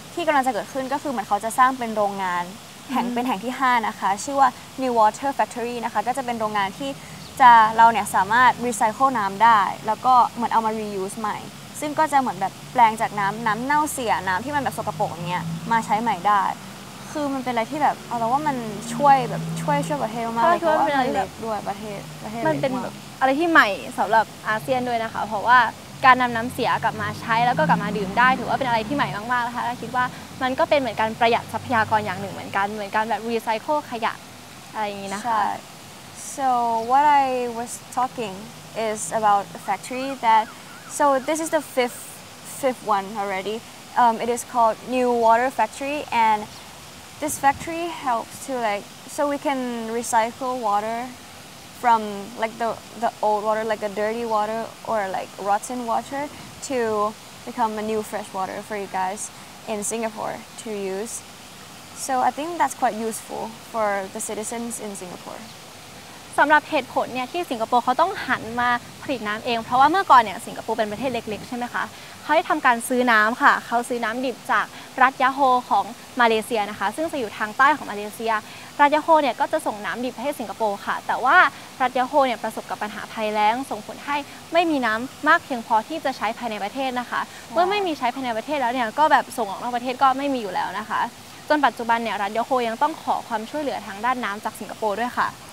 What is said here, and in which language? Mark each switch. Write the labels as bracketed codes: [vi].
[th] ที่กำลังจะเกิดขึ้นก็คือเหมือนเขาจะสร้างเป็นโรงงานแห่งเป็นแห่งที่5นะคะชื่อว่า New Water Factory นะคะก็จะเป็นโรงงานที่จะเราเนี่ยสามารถรีไซเคิลน้ำได้แล้วก็เหมือนเอามารียูสใหม่ซึ่งก็จะเหมือนแบบแปลงจากน้ำเน่าเสียน้ำที่มันแบบสกปรกเนี่ยมาใช้ใหม่ได้คือมันเป็นอะไรที่แบบเราว่ามันช่วยแบบช่วยประเทศมากเลยเพราะว่ามันเล็กด้วยประเทศ มันเป็นอะไรที่ใหม่สำหรับอาเซียนด้วยนะคะเพราะว่าการนำน้ำเสียกลับมาใช้แล้วก็กลับมาดื่มได้ถือว่าเป็นอะไรที่ใหม่มากๆนะคะและคิดว่ามันก็เป็นเหมือนการประหยัดทรัพยากรอย่างหนึ่งเหมือนกันแบบรีไซเคิลขยะอะไรอย่างนี้นะคะ [en] So what I was talking is about a factory that so this is the fifth one already. It is called New Water Factory, and this factory helps to like so we can recycle water from like the old water, like a dirty water or like rotten water, to become a new fresh water for you guys in Singapore to use. So I think that's quite useful for the citizens in Singapore. [th] สำหรับเหตุผลเนี่ยที่สิงคโปร์เขาต้องหันมาผลิตน้ำเองเพราะว่าเมื่อก่อนเนี่ยสิงคโปร์เป็นประเทศเล็กๆใช่ไหมคะเขาได้ทำการซื้อน้ำค่ะเขาซื้อน้ำดิบจากรัฐยะโฮของมาเลเซียนะคะซึ่งจะอยู่ทางใต้ของมาเลเซียรัฐยะโฮเนี่ยก็จะส่งน้ำดิบให้สิงคโปร์ค่ะแต่ว่ารัฐยะโฮเนี่ยประสบกับปัญหาภัยแล้งส่งผลให้ไม่มีน้ำมากเพียงพอที่จะใช้ภายในประเทศนะคะเมื่อไม่มีใช้ภายในประเทศแล้วเนี่ยก็แบบส่งออกนอกประเทศก็ไม่มีอยู่แล้วนะคะจนปัจจุบันเนี่ยรัฐยะโฮยังต้องขอความช่วยเหลือทางด้านน้ำจากสิงคโปร์ด้วยค่ะ